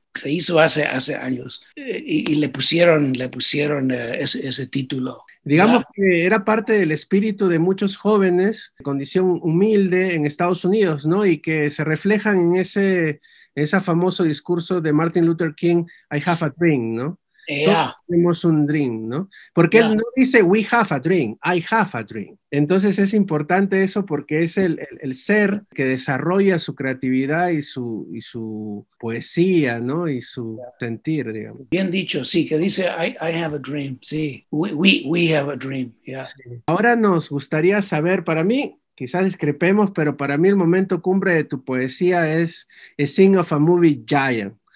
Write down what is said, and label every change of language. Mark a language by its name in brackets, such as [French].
[Spanish] Se hizo hace años y le pusieron ese título. Digamos que era parte del espíritu de muchos jóvenes de condición humilde en Estados Unidos, ¿no? Y que se reflejan en ese famoso discurso de Martin Luther King, [English] I have a dream, [Spanish] ¿no? Todos tenemos un dream, ¿no? Porque él no dice, [English] we have a dream, I have a dream. [Spanish] Entonces es importante eso porque es el ser que desarrolla su creatividad y su poesía, ¿no? Y su sentir, digamos. Bien dicho, sí, que dice, [English] I have a dream, [Spanish] sí. [English] We have a dream, yeah. [Spanish] Sí. Ahora nos gustaría saber, para mí, quizás discrepemos, pero para mí el momento cumbre de tu poesía es A Sing of a Movie Giant.